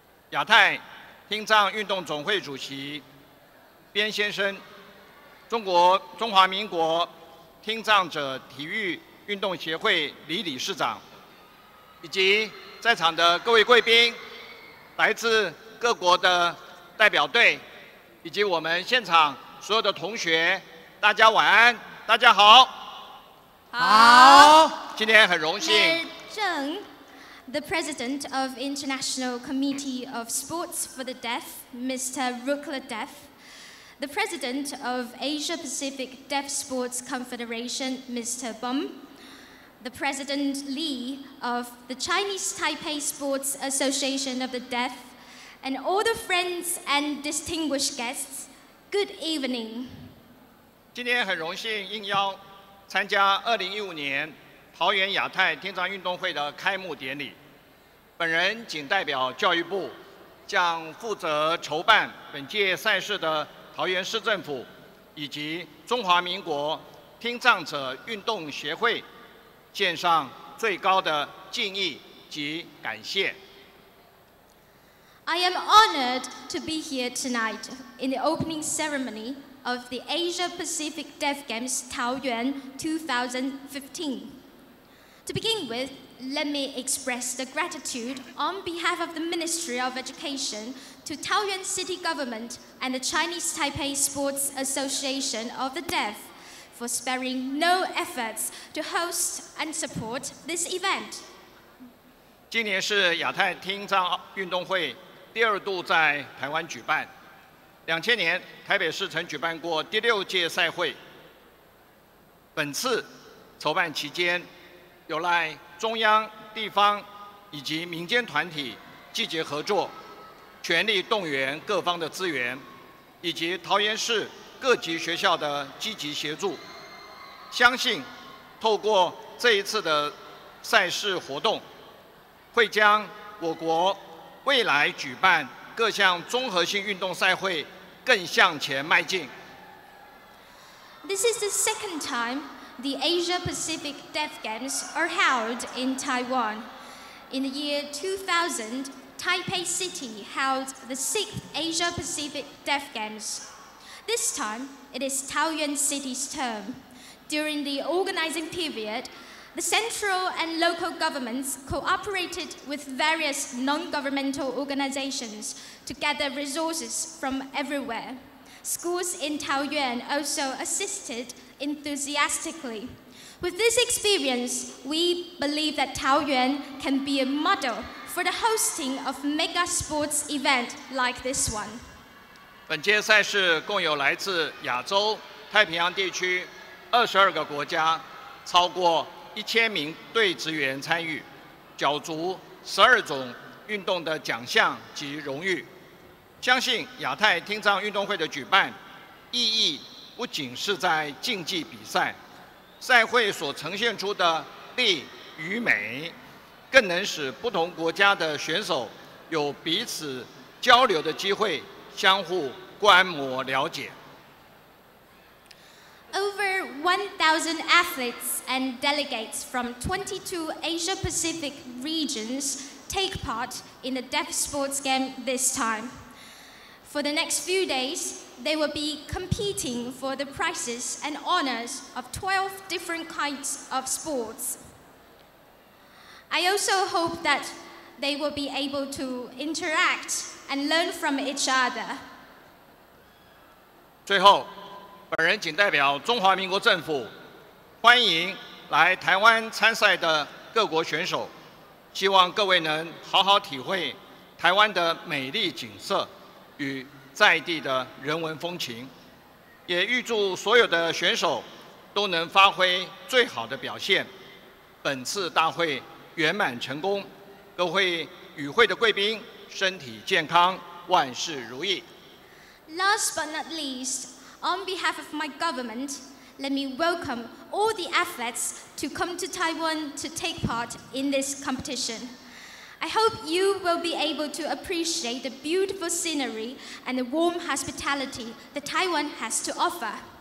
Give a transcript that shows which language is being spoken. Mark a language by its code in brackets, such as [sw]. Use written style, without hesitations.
[zh] 亚太听障运动总会主席边先生，中华民国听障者体育运动协会李理事长，以及在场的各位贵宾，来自各国的代表队，以及我们现场所有的同学，大家晚安，大家好。好，今天很荣幸。 [en] 郑 ，the president of International Committee of Sports for the Deaf, Mr. Rukler Deaf. The President of Asia Pacific Deaf Sports Confederation, Mr. Bum. The President Li of the Chinese Taipei Sports Association of the Deaf. And all the friends and distinguished guests, good evening. [zh] 今天很荣幸应邀参加2015年桃园亚太听障运动会的开幕典礼。本人仅代表教育部，向负责筹办本届赛事的桃园市政府以及中华民国听障者运动协会献上最高的敬意及感谢。 [en] I am honored to be here tonight in the opening ceremony of the Asia Pacific Deaf Games Taoyuan 2015. To begin with, let me express the gratitude on behalf of the Ministry of Education to Taoyuan City Government and the Chinese Taipei Sports Association of the Deaf for sparing no efforts to host and support this event. [zh] 今年是亚太听障运动会第二度在台湾举办。 2000年台北市曾举办过第六届赛会。本次筹办期间，有赖中央、地方以及民间团体积极合作，全力动员各方的资源，以及桃园市各级学校的积极协助。相信透过这一次的赛事活动，会将我国未来举办各项综合性运动赛会更向前迈进。 [en] This is the second time the Asia Pacific Deaf Games are held in Taiwan. In the year 2000, Taipei City held the sixth Asia Pacific Deaf Games. This time, it is Taoyuan City's turn. During the organizing period,The central and local governments cooperated with various non-governmental organizations to gather resources from everywhere. Schools in Taoyuan also assisted enthusiastically. With this experience, we believe that Taoyuan can be a model for the hosting of mega sports event like this one. [zh] 本届赛事共有来自亚洲、太平洋地区22个国家，超过1000名队职员参与，角逐12种运动的奖项及荣誉。相信亚太听障运动会的举办意义不仅是在竞技比赛，赛会所呈现出的力与美，更能使不同国家的选手有彼此交流的机会，相互观摩了解。 [en] Over 1,000 athletes and delegates from 22 Asia-Pacific regions take part in the Deaf Sports Game this time. For the next few days, they will be competing for the prizes and honors of 12 different kinds of sports. I also hope that they will be able to interact and learn from each other. [zh] 最后本人仅代表中华民国政府，欢迎来台湾参赛的各国选手，希望各位能好好体会台湾的美丽景色与在地的人文风情，也预祝所有的选手都能发挥最好的表现，本次大会圆满成功，各位与会的贵宾身体健康，万事如意。 [en] Last but not least,On behalf of my government, let me welcome all the athletes to come to Taiwan to take part in this competition. I hope you will be able to appreciate the beautiful scenery and the warm hospitality that Taiwan has to offer.